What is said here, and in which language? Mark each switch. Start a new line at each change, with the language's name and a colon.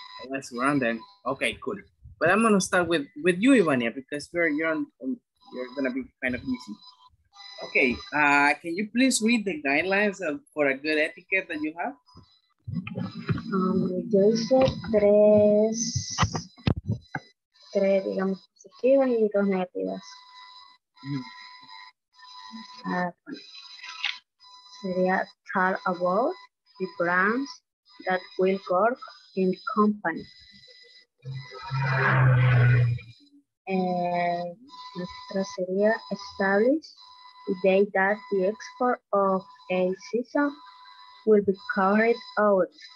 English: Let's run then. Okay, cool. But I'm gonna start with you, Ivania, because you're gonna be kind of easy. Okay, can you please read the guidelines for a good etiquette that you have?
Spanish: Yo hice tres, digamos, positivas y dos negativas. Sería
English: talk about the brands that will work in company.
Spanish: Nuestra sería
English: establish the date that the export of a season will be carried out.